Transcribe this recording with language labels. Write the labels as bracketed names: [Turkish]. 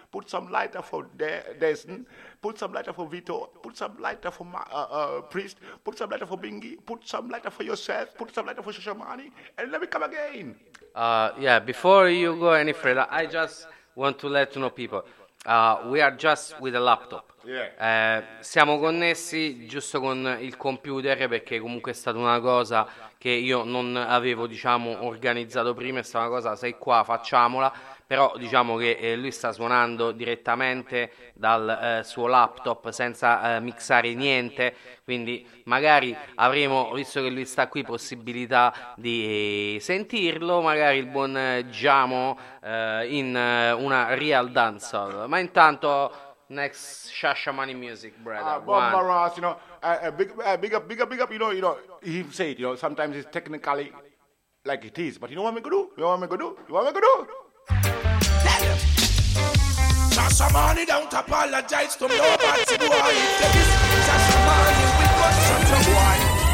[English] Put some lighter for Desen. Put some lighter for Vito. Put some lighter for Priest. Put some lighter for Bingy. Put some lighter for yourself. Put some lighter for Shashamane. And let me come again. Yeah. Before you go any further, I just want to let you know, people. We are just with a laptop. Yeah. [Italian] Siamo connessi giusto con il computer perché comunque è stata una cosa che io non avevo diciamo organizzato prima. È stata una cosa sei qua facciamola. Però diciamo che lui sta suonando direttamente dal suo laptop senza mixare niente. Quindi magari avremo, visto che lui sta qui, possibilità di sentirlo. Magari il buon Giamo in una real dance. Ma intanto [English] next Shashamane music, brother? Bomba Ross, you know, big up, you know, he said, you know, sometimes it's technically like it is, but you know what I'm going to do? You know what I'm going to do? Shashamane don't apologize to nobody, boy. Shashamane, we got such a boy.